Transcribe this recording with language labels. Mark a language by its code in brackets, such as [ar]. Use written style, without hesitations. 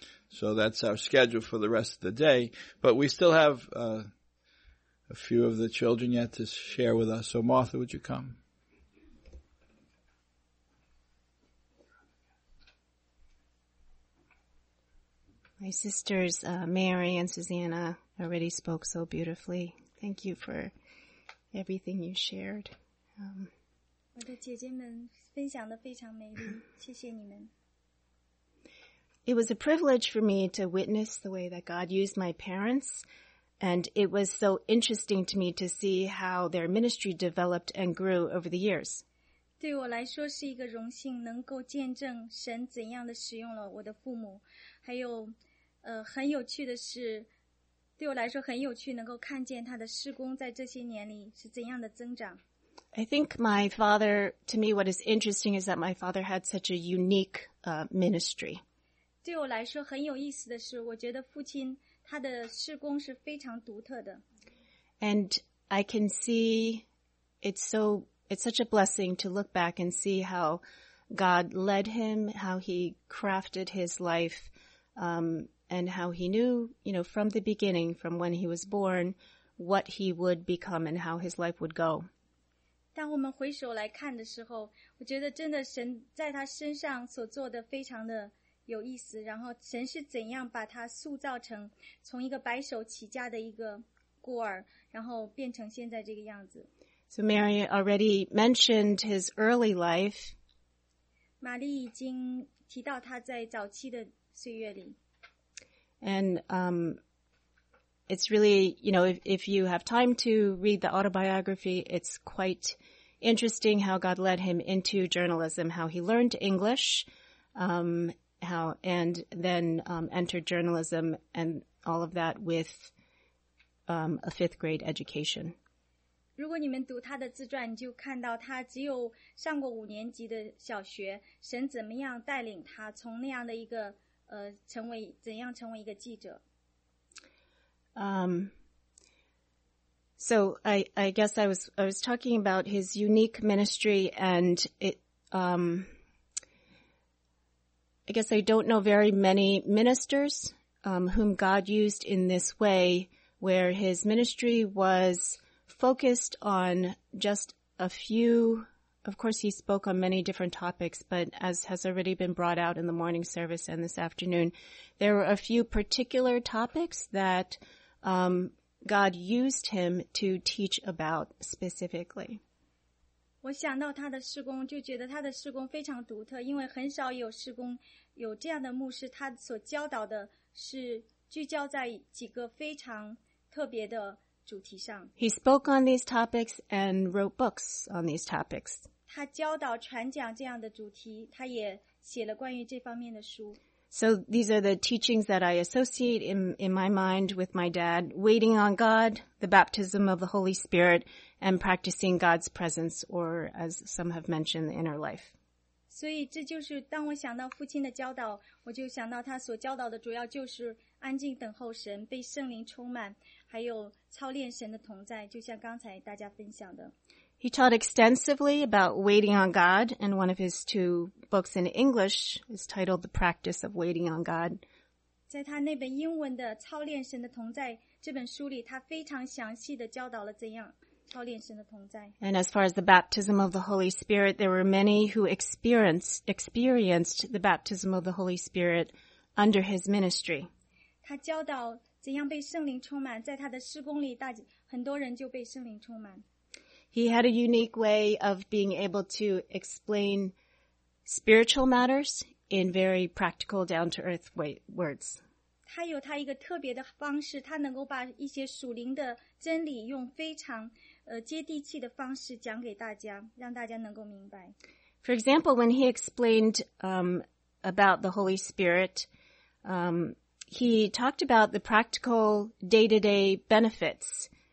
[en] So that's our schedule for the rest of the day, but we still have, a few of the children yet to share with us. So Martha, would you come? My sisters, Mary and Susanna, already spoke so beautifully. Thank you for everything you shared. [zh] 我的姐姐们分享得非常美丽，谢谢你们。 [en] It was a privilege for me to witness the way that God used my parents. And it was so interesting to me to see how their ministry developed and grew over the years. [zh] 对我来说是一个荣幸，能够见证神怎样的使用了我的父母。还有，很有趣的是，对我来说很有趣，能够看见他的事工在这些年里是怎样的增长。 [en] I think my father, to me, what is interesting is that my father had such a unique, ministry. [zh] 对我来说很有意思的是，我觉得父亲他的事工是非常独特的。 [en] And I can see it's such a blessing to look back and see how God led him, how he crafted his life, and how he knew, you know, from the beginning, from when he was born, what he would become and how his life would go. [zh] 当我们回首来看的时候，我觉得真的神在他身上所做的非常的有意思，然后神是怎样把他塑造成从一个白手起家的一个孤儿，然后变成现在这个样子。 [en] So Mary already mentioned his early life. [zh] 玛丽已经提到他在早期的岁月里。 [en] And, it's really, you know, if you have time to read the autobiography, it's quite interesting how God led him into journalism, how he learned English, and then entered journalism and all of that with, a fifth grade education. [zh] 如果你们读他的自传，你就看到他只有上过五年级的小学，神怎么样带领他从那样的一个成为怎样成为一个记者。 [en] So I guess I was talking about his unique ministry, and I guess I don't know very many ministers whom God used in this way, where his ministry was focused on just a few. Of course, he spoke on many different topics, but as has already been brought out in the morning service and this afternoon, there were a few particular topics that God used him to teach about specifically. [zh] 我想到他的事工，就觉得他的事工非常独特，因为很少有事工有这样的牧师，他所教导的是聚焦在几个非常特别的主题上。 [en] He spoke on these topics and wrote books on these topics. [zh] 他教导传讲这样的主题，他也写了关于这方面的书。 [en] So these are the teachings that I associate in my mind with my dad, waiting on God, the baptism of the Holy Spirit, and practicing God's presence, or as some have mentioned, the inner life. [zh] 所以这就是当我想到父亲的教导，我就想到他所教导的主要就是安静等候神，被圣灵充满，还有操练神的同在，就像刚才大家分享的。 [en] He taught extensively about waiting on God, and one of his two books in English is titled The Practice of Waiting on God. [zh] 在他那本英文的《操练神的同在》这本书里，他非常详细地教导了怎样操练神的同在。 [en] And as far as the baptism of the Holy Spirit, there were many who experienced the baptism of the Holy Spirit under his ministry. [zh] 他教导怎样被圣灵充满，在他的事工里，很多人就被圣灵充满。 [en] He had a unique way of being able to explain spiritual matters in very practical, down-to-earth words. [zh] 他有他一个特别的方式，他能够把一些属灵的真理用非常接地气的方式讲给大家，让大家能够明白。 [en] For example, when he explained about the Holy Spirit, he talked about the practical day-to-day benefits.